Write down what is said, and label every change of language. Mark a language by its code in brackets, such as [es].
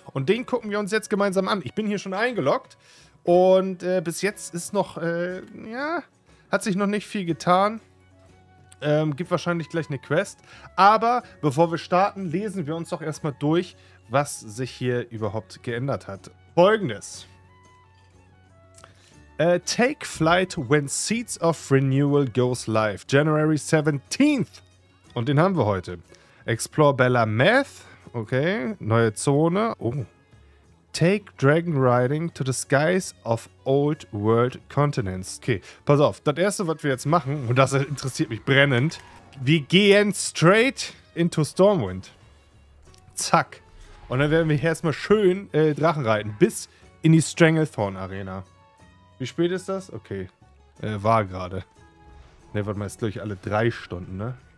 [de] Und den gucken wir uns jetzt gemeinsam an. Ich bin hier schon eingeloggt. Und bis jetzt ist noch, hat sich noch nicht viel getan. Gibt wahrscheinlich gleich eine Quest. Aber bevor wir starten, lesen wir uns doch erstmal durch, was sich hier überhaupt geändert hat. Folgendes. [en] Take flight when Seeds of Renewal goes live. January 17th. [de] Und den haben wir heute. [en] Explore Bella Meth. [de] Okay, neue Zone. Oh. [en] Take Dragon Riding to the Skies of Old World Continents. [de] Okay, pass auf. Das Erste, was wir jetzt machen, und das interessiert mich brennend, wir gehen [en] straight into [de] Stormwind. Zack. Und dann werden wir hier erstmal schön Drachen reiten, bis in die Stranglethorn Arena. Wie spät ist das? Okay, war gerade. Ne, warte mal, ist glaube ich alle 3 Stunden, ne?